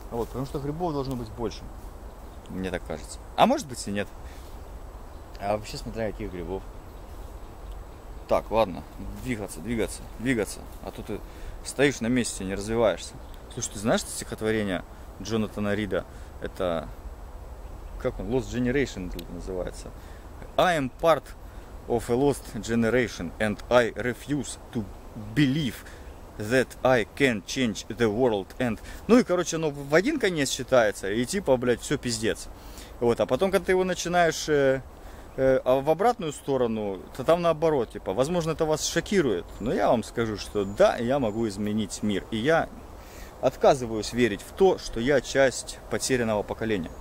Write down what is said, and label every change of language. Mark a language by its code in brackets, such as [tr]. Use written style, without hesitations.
[ru] Вот, потому что грибов должно быть больше. Мне так кажется. А может быть и нет. А вообще смотря каких грибов. Так, ладно. Двигаться. А то ты стоишь на месте, не развиваешься. Слушай, ты знаешь это стихотворение Джонатана Рида? Это... Как он? [en] Lost Generation [ru] называется. [en] I am part of a lost generation and I refuse to believe that I can change the world and... [ru] Ну и, короче, оно в один конец считается, и типа, блядь, все пиздец. Вот, а потом, когда ты его начинаешь в обратную сторону, то там наоборот, типа, возможно, это вас шокирует, но я вам скажу, что да, я могу изменить мир, и я отказываюсь верить в то, что я часть потерянного поколения.